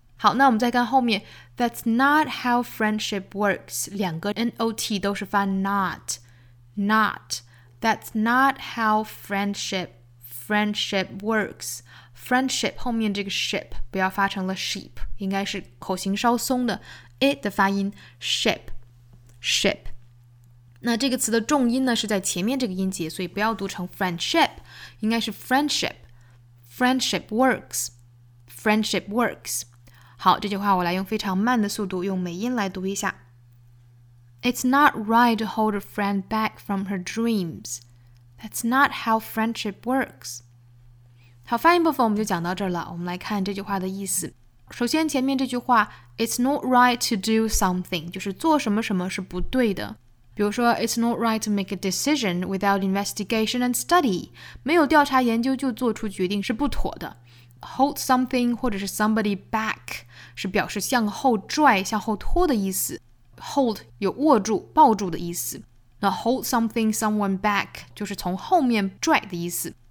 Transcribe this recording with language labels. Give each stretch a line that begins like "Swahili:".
Chinese: 好，那我们再看后面
English: That's not how friendship works，
Chinese: 两个 not 都是发 not， not，
English: That's not how friendship friendship works，
Chinese: friendship 后面这个 ship 不要发成了 sheep， 应该是口型稍松的 i 的发音 ship ship。那这个词的重音呢是在前面这个音节，所以不要读成 friendship， 应该是 friendship， friendship works， friendship works。好，这句话我来用非常慢的速度用美音来读一下。
English: It's not right to hold a friend back from her dreams. That's not how friendship works.
Chinese: 好，发音部分我们就讲到这儿了。我们来看这句话的意思。首先前面这句话
English: It's not right to do something，
Chinese: 就是做什么什么是不对的。比如说
English: It's not right to make a decision without investigation and study.
Chinese: 没有调查研究就做出决定是不妥的。 Hold something 或者是 somebody back 是表示向后拽、向后拖的意思。 Hold 有握住、抱住的意思。那 hold something someone back 就是从后面拽的意思。